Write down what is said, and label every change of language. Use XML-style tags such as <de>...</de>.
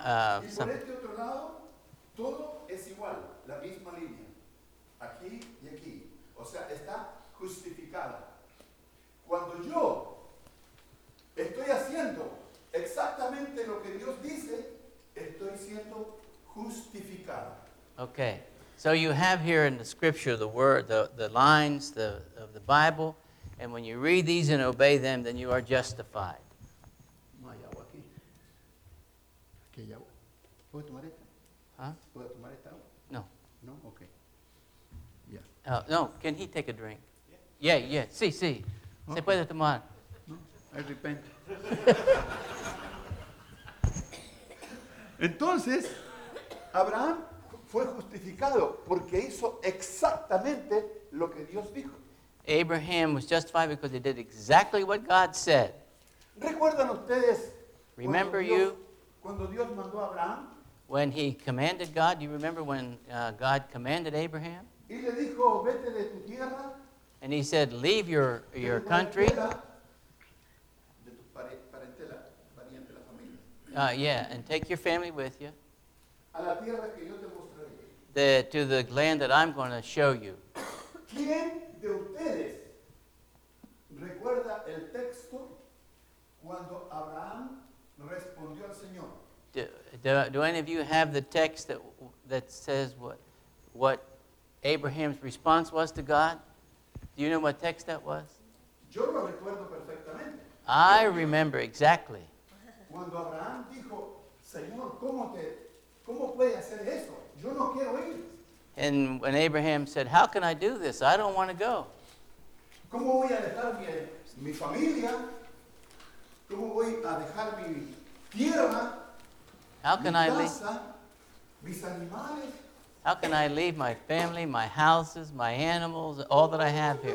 <es>Y por este otro lado, todo es igual, la misma línea. Aquí y aquí. O sea, está justificada. Cuando yo estoy haciendo exactamente lo que Dios dice, estoy siendo justificado.</es> <en>Okay. So you have here in the scripture the word, the lines of the Bible, and when you read these and obey them, then you are justified.</en> <es>No hay agua aquí. Aquí hay agua. ¿Puedo tomar esta?</es> <en>Huh?</en> <es>¿Puedo tomar esta agua? No.</es> <en>No? Okay. Yeah. No, can he take a drink? Yeah, yeah.</en> <es>Sí, sí.</es> <en>Okay.</en> <es>¿Se puede tomar?</es> <en>No, I repent.</en> <es>Entonces, Abraham fue justificado porque hizo exactamente lo que Dios dijo.</es> <en>Abraham was justified because he did exactly what God said.</en> <es>¿Recuerdan ustedes?</es> <en>Remember</en> <es>cuando Dios, cuando Dios mandó a Abraham?</es> <en>When he commanded God, do you remember when God commanded Abraham?</en> <es>Y le dijo, vete de tu tierra.</es> <en>And he said, leave your country.</en> <es>De tu parentela, pariente, la familia.</es> <en>Yeah, and take your family with you.</en> <es>A la tierra que yo te</es> <en>To the land that I'm going to show you.</en> <es>¿Quién de ustedes recuerda el texto cuando Abraham respondió al Señor?</es> <en>Do any of you have the text that says what Abraham's response was to God? Do you know what text that was?</en> <es>Yo lo recuerdo perfectamente.</es> <en>I remember exactly.</en> <es>Cuando Abraham dijo, Señor, ¿cómo puede hacer eso? Yo no quiero ir.</es> <en>And when Abraham said, how can I do this? I don't want to go.</en> <es>¿Cómo voy a dejar mi familia? ¿Cómo voy a dejar mi tierra?</es> <en>How can</en> <es>mi</es> <en>I</en> <es>casa,</es> <en>leave?</en> <es>Mis animales?</es> <en>How can I leave my family, my houses, my animals, all that I have here?</en>